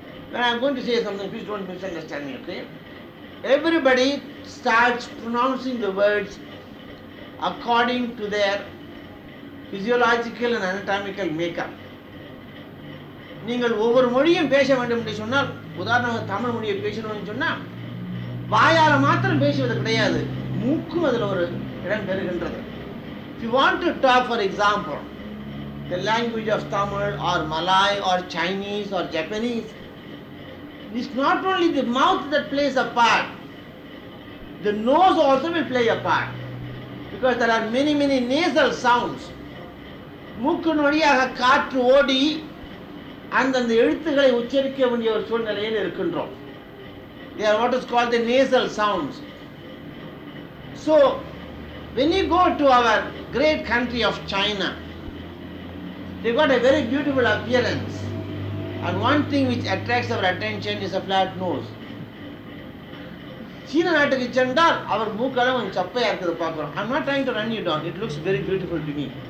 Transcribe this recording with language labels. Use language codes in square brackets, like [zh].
[en] When I am going to say something, please don't misunderstand me, okay? Everybody starts pronouncing the words according to their physiological and anatomical makeup. [ta] நீங்கள் ஒவ்வொரு மொழியும் பேச வேண்டும் என்று சொன்னால், உதாரணமாக தமிழ் மொழியை பேசணும்னு சொன்னால், வாயால் மாத்திரம் பேசுவது கிடையாது, மூக்கும் அதில் ஒரு இடம் பெறுகின்றது. [en] If you want to talk, for example, the language of Tamil or Malay or Chinese or Japanese, it's not only the mouth that plays a part, the nose also will play a part, because there are many, many nasal sounds. [ta] மூக்கின் வழியாக காற்று ஓடி அந்தந்த எழுத்துக்களை உச்சரிக்க வேண்டிய ஒரு சூழ்நிலையில் இருக்கின்றோம். [en] They are what is called the nasal sounds. So, when you go to our great country of China, they got a very beautiful appearance. And one thing which attracts our attention is a flat nose. [ta] சீன நாட்டுக்கு சென்றால் அவர் மூக்கெல்லாம் கொஞ்சம் சப்பையாக இருக்கிறது பார்க்குறோம். [en] I'm not trying to run you down. It looks very beautiful to me.